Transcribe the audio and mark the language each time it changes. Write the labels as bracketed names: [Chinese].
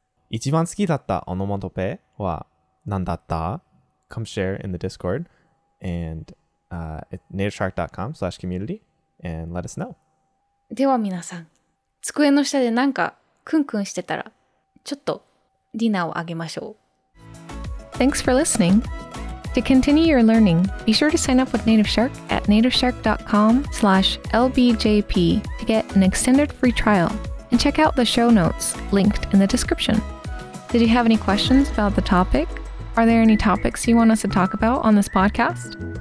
[Japanese] 一番好きだったオノマトペは何だった? [English] Come share in the Discord and at nativeshark.com/community and let us know. [Japanese] では皆さん、机の下でなんかクンクンしてたら、ちょっとディナーをあげましょう。 [English] Thanks for listening. To continue your learning, be sure to sign up with Native Shark at nativeshark.com/LBJP to get an extended free trial and check out the show notes linked in the description. Did you have any questions about the topic? Are there any topics you want us to talk about on this podcast?